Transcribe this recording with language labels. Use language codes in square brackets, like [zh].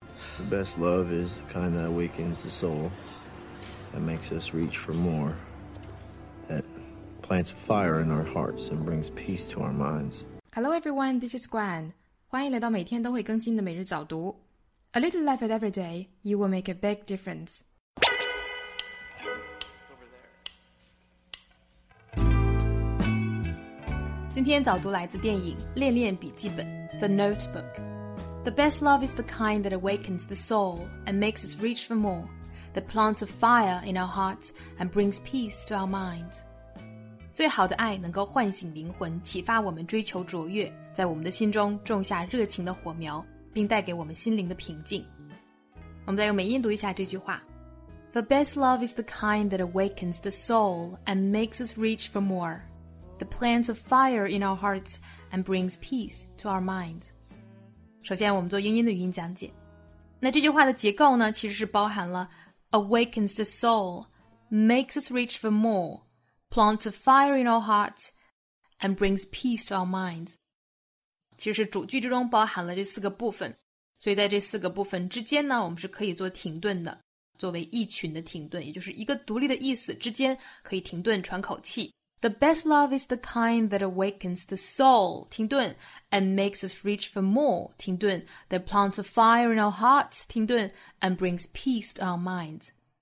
[en] The best love is the kind that awakens the soul, that makes us reach for more, that plants a fire in our hearts and brings peace to our minds. Hello everyone, this is Gwen. [zh] 欢迎来到每天都会更新的每日早读。 [en] A little love at every day, you will make a big difference. Over there. [zh] 今天早读来自电影《恋恋笔记本》The Notebook。 [en] The best love is the kind that awakens the soul and makes us reach for more, that plants a fire in our hearts and brings peace to our minds. [zh] 最好的爱能够唤醒灵魂，启发我们追求卓越，在我们的心中种下热情的火苗，并带给我们心灵的平静。我们再用美音读一下这句话。 [en] The best love is the kind that awakens the soul and makes us reach for more, that plants a fire in our hearts and brings peace to our minds. [zh] 首先我们做英音的语音讲解。那这句话的结构呢，其实是包含了 [en] awakens the soul, makes us reach for more, plants a fire in our hearts, and brings peace to our minds。 [zh] 其实主句之中包含了这四个部分，所以在这四个部分之间呢，我们是可以做停顿的，作为一群的停顿，也就是一个独立的意思之间可以停顿喘口气。 [en] The best love is the kind that awakens the soul, 停顿 and makes us reach for more, 停顿 that plants a fire in our hearts, 停顿 and brings peace to our minds.